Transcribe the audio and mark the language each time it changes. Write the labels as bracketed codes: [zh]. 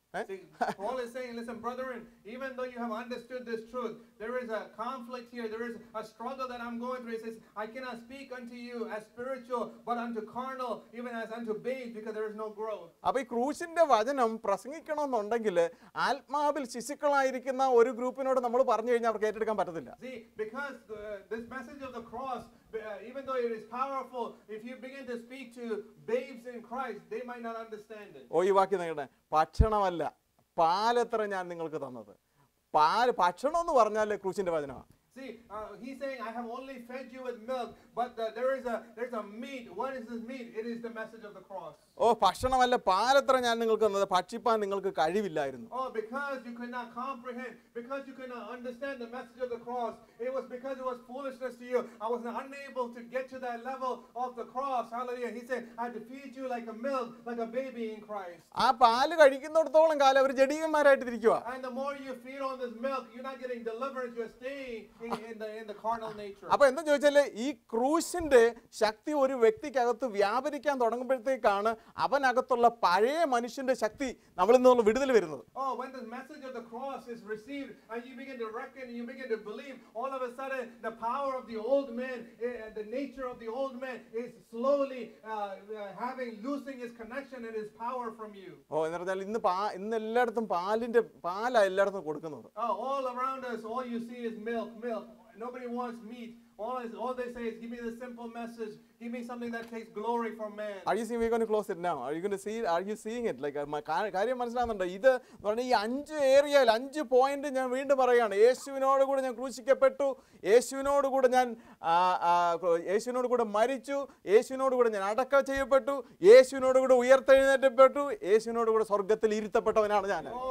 [en] See, Paul is saying, listen, brethren, even though you have understood this truth, there is a conflict here. There is a struggle that I'm going through. He says, I cannot speak unto you as spiritual, but unto carnal, even as unto babes, because there is no growth. [ml] അപ്പോൾ ഈ ക്രൂശിന്റെ വചനം പ്രസംഗിക്കണമെന്നുണ്ടെങ്കിൽ ആത്മാവിൽ ശിശുക്കളായിരിക്കുന്ന ഒരു ഗ്രൂപ്പിനോട് നമ്മൾ പറഞ്ഞു കഴിഞ്ഞാൽ അവർക്ക് ഏറ്റെടുക്കാൻ പറ്റത്തില്ല. [en] See, because this message of the cross, even though it is powerful, if you begin to speak to babes in Christ, they might not understand it. [ml] ഓ, ഈ വാക്യം നിങ്ങളുടെ ഭക്ഷണമല്ല, പാലത്ര ഞാൻ നിങ്ങൾക്ക് തന്നത്. പാല് ഭക്ഷണം എന്ന് പറഞ്ഞാലേ ക്രൂശിന്റെ വചനമാണ്. [en] He's saying, I have only fed you with milk, but there's a meat. What is this meat? It is the message of the cross. [ml] Oh, ഭക്ഷണമല്ല, Palathra ഞാൻ നിങ്ങൾക്ക് തന്നത്, ഭക്ഷിപ്പാൻ നിങ്ങൾക്ക് കഴിവില്ലായിരുന്നു. [en] Oh, because you could not comprehend, because you could not understand the message of the cross, it was because it was foolishness to you. I was unable to get to that level of the cross. Hallelujah. He said, I had to feed you like a milk, like a baby in Christ. [ml] ആ പാല് കഴിക്കുന്നിടത്തോളം കാലം അവർ ജഡീകന്മാരായിട്ട് ഇരിക്കുക. [en] And the more you feed on this milk, you're not getting deliverance, you're staying in the carnal nature. [ml] അപ്പോൾ എന്താ ചോദിച്ചാൽ, ഈ ക്രൂശിന്റെ ശക്തി ഒരു വ്യക്തിക്കകത്ത് വ്യാപരിക്കാൻ തുടങ്ങുമ്പോഴത്തേക്കാണ് അവനകത്തുള്ള പഴയ മനുഷ്യന്റെ ശക്തി നമ്മളിൽ നിന്നുള്ള വിടുതൽ വരുന്നത്. [en] Oh, when the message of the cross is received and you begin to reckon and you begin to believe, all of a sudden the power of the old man, the nature of the old man is slowly losing its connection and its power from you. [ml] ഓ, എന്നറിഞ്ഞാൽ ഇന്ന് എല്ലായിടത്തും പാലാ എല്ലായിടത്തും കൊടുക്കുന്നത്. [en] Oh, all around us all you see is milk. Nobody wants meat. All they say is, give me the simple message. Give me something that takes glory from man. Are you seeing, we're going to close it now. Are you going to see it? Are you seeing it? [ml] Like, കാര്യം മനസ്സിലാകുന്നുണ്ടോ? ഇത് എന്ന് പറഞ്ഞാൽ ഈ അഞ്ച് ഏരിയയിൽ അഞ്ച് point ഞാൻ വീണ്ടും പറയുകയാണ്. യേശുവിനോടുകൂടെ ഞാൻ ക്രൂശിക്കപ്പെട്ടു, യേശുവിനോടുകൂടെ ഞാൻ യേശുവിനോടുകൂടെ മരിച്ചു, യേശുവിനോടുകൂടെ ഞാൻ അടക്ക ചെയ്യപ്പെട്ടു, യേശുവിനോടുകൂടെ ഉയർത്തെഴുന്നേറ്റപ്പെട്ടു, യേശുവിനോടുകൂടെ സ്വർഗത്തിൽ ഇരുത്തപ്പെട്ടവനാണ് ഞാൻ.